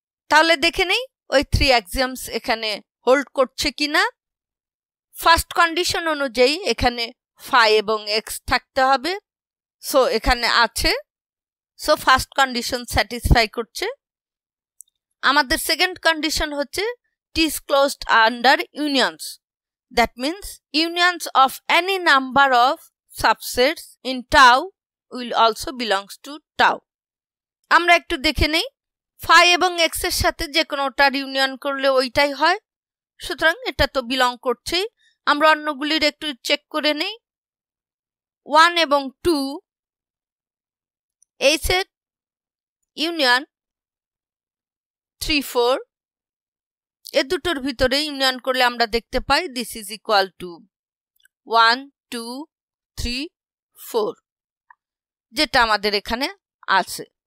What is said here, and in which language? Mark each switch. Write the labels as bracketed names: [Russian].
[Bangla] তাহলে দেখে নেই ওই থ্রি অ্যাক্সিওমস এখানে হোল্ড করছে কিনা। ফার্স্ট কন্ডিশন অনুযায়ী এখানে phi এবং x থাকতে হবে, সো এখানে আছে, সো ফার্স্ট কন্ডিশন স্যাটিসফাই করছে। আমাদের সেকেন্ড কন্ডিশন হচ্ছে [English] t is closed under unions. That means unions of any number of subsets in tau will also belongs to tau. [Bangla] আমরা একটু দেখে নেই, phi এবং x এর সাথে যে কোনোটার ইউনিয়ন করলে ওইটাই হয়, সুতরাং এটা তো বিলং করছেই। আমরা অন্যগুলির একটু চেক করে নেই। 1 এবং 2 এই সেট ইউনিয়ন, 3 4 এ দুটোর ভিতরে ইউনিয়ন করলে আমরা দেখতে পাই [English] this is equal to [Bangla] 1 2 3 4, যেটা আমাদের এখানে আছে।